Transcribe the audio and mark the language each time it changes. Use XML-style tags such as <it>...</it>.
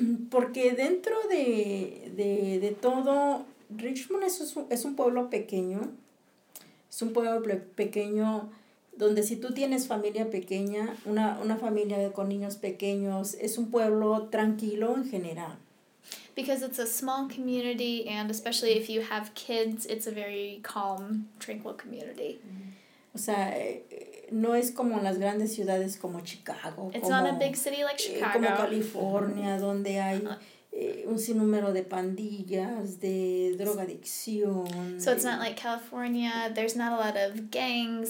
<es>Porque dentro de todo, Richmond es un pueblo pequeño. Es un pueblo pequeño donde si tú tienes familia pequeña, una familia con niños pequeños, es un pueblo tranquilo en general.</es> <en>Because it's a small community, and especially if you have kids, it's a very calm, tranquil community.</en> <es>Mm-hmm. O sea, no es como las grandes ciudades como Chicago.</es> <en>It's</en> <es>como,</es> <en>not a big city like Chicago.</en> <es>Como California, donde hay un sinnúmero de pandillas, de drogadicción.</es> <en>So it's not like California. There's not a lot of gangs.</en>